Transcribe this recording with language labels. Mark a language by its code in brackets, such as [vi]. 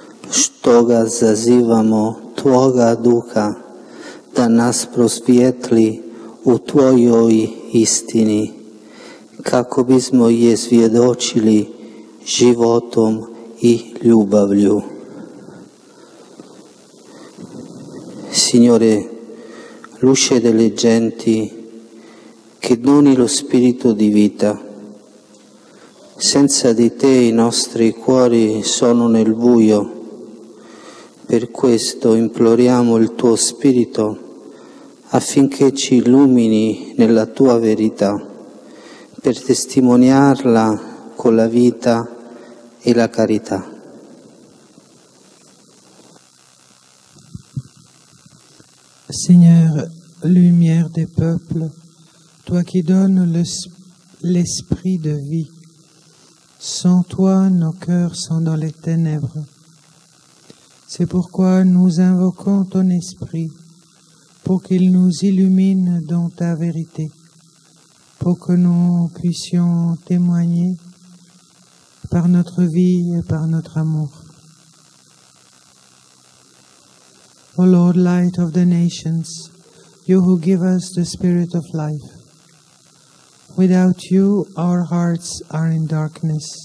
[hr] Štoga zazivamo Tvoga duha, da nas prosvjetli u Tvojoj istini, kako bismo je svjedočili životom i ljubavlju. [it] Signore, luce delle genti, che doni lo spirito di vita, senza di Te i nostri cuori sono nel buio, per questo imploriamo il Tuo spirito affinché ci illumini nella Tua verità, per testimoniarla con la vita e la carità. [fr] Seigneur, lumière des peuples, toi qui donnes l'esprit de vie, sans toi nos cœurs sont dans les ténèbres. C'est pourquoi nous invoquons ton esprit, pour qu'il nous illumine dans ta vérité, pour que nous puissions témoigner par notre vie et par notre amour. [en] O Lord, light of the nations, you who give us the spirit of life, without you our hearts are in darkness.